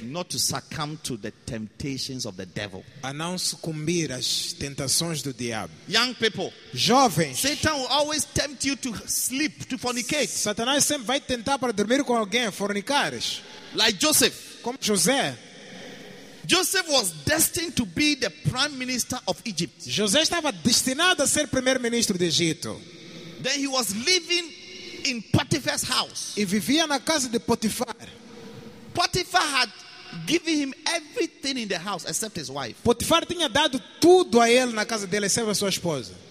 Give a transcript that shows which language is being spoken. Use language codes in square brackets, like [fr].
[en] Not to succumb to the temptations of the devil. [pt] A não sucumbir às tentações do diabo. [en] Young people. [pt] Jovens. [en] Satan will always tempt you to sleep, to fornicate. [pt] Satanás sempre vai tentar para dormir com alguém, fornicar. [en] Like Joseph. [pt] Como José. [en] Joseph was destined to be the prime minister of Egypt. [pt] José estava destinado a ser primeiro-ministro do Egito. [en] Then he was living in Potiphar's house. [pt] E vivia na casa de Potifar. [en] Potiphar had given him everything in the house except his wife. [pt] Potifar tinha dado tudo a ele na casa dele, exceto a sua esposa.